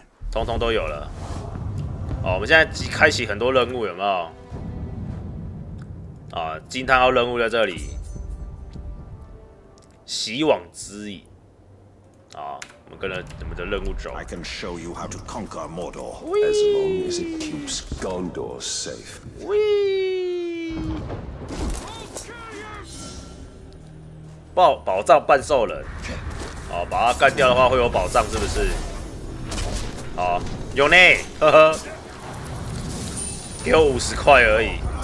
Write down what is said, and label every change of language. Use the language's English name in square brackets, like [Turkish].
[Chinese] 通通都有了，哦，我们现在开启很多任务，有没有？啊，惊叹号任务在这里，洗网之翼，啊，我们跟着我们的任务走。 [English] I can show you how to conquer Mordor as long as it keeps Gondor safe. [Chinese] We， 宝藏半兽人，啊，把它干掉的话会有宝藏，是不是？好，有呢，呵呵，给我50块而已。